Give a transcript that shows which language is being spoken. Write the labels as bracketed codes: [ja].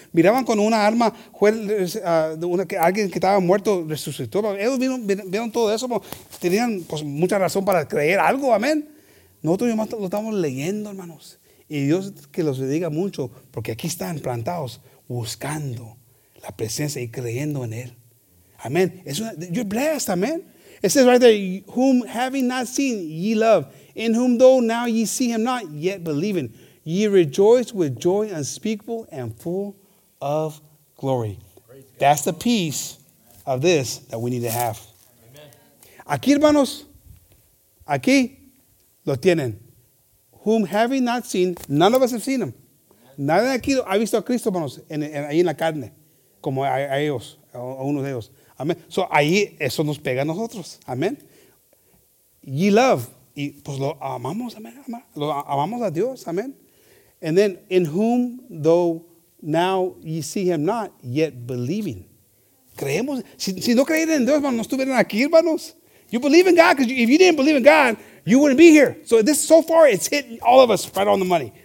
[es] Miraban con una alma, alguien que estaba muerto resucitó. Ellos vieron todo eso, hermanos. Tenían pues, mucha razón para creer algo, amén. Nosotros nomás lo estamos leyendo, hermanos. Y Dios que los bendiga mucho, porque aquí están plantados, buscando la presencia y creyendo en Él. [en] Amén. You're blessed, amén. It says right there, whom having not seen, ye love. In whom though now ye see him not, yet believing, ye rejoice with joy unspeakable and full of glory. That's the peace of this that we need to have. Amen. [es] Aquí, hermanos, aquí lo tienen. [en] Whom having not seen, none of us have seen him. [es] Nadie aquí ha visto a Cristo, hermanos, ahí en la carne, como a ellos, a uno de ellos. Amen. So ahí eso nos pega a nosotros. Amen. [en] Ye love. [es] Y pues lo amamos, amén, lo amamos a Dios, amén. [en] And then, in whom, though, now ye see him not, yet believing. [es] Creemos, si no creer en Dios, hermanos, no estuvieran aquí, hermanos. [en] You believe in God, because if you didn't believe in God, you wouldn't be here. So this, so far, it's hit all of us right on the money.